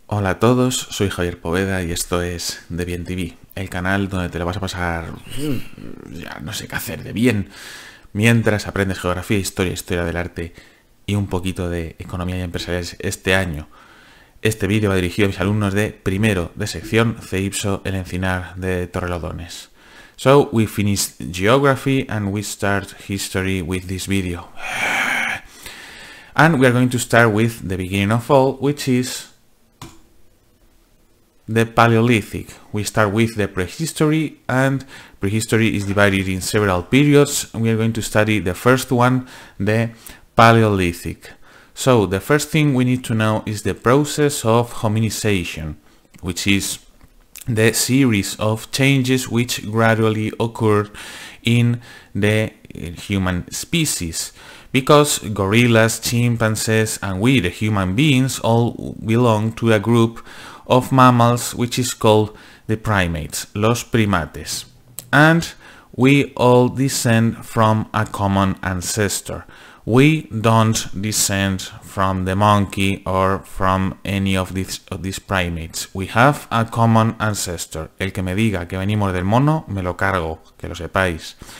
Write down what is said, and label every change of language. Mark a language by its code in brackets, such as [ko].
[es] Hola a todos, soy Javier Poveda y esto es De Bien TV, el canal donde te lo vas a pasar... ya no sé qué hacer de bien, mientras aprendes geografía, historia, historia del arte y un poquito de economía y empresariales este año. Este vídeo va dirigido a mis alumnos de primero de sección CEIPSO, el Encinar de Torrelodones. [en] So, we finished geography and we start history with this video. And we are going to start with the beginning of all, which is... the Paleolithic. We start with the prehistory, and prehistory is divided in several periods. We are going to study the first one, the Paleolithic. So the first thing we need to know is the process of hominization, which is the series of changes which gradually occurred in the human species. Because gorillas, chimpanzees, and we, the human beings, all belong to a group of mammals which is called the primates, [es] los primates, [en] and we all descend from a common ancestor. We don't descend from the monkey or from any of these primates. We have a common ancestor. [es] El que me diga que venimos del mono, me lo cargo, que lo sepáis.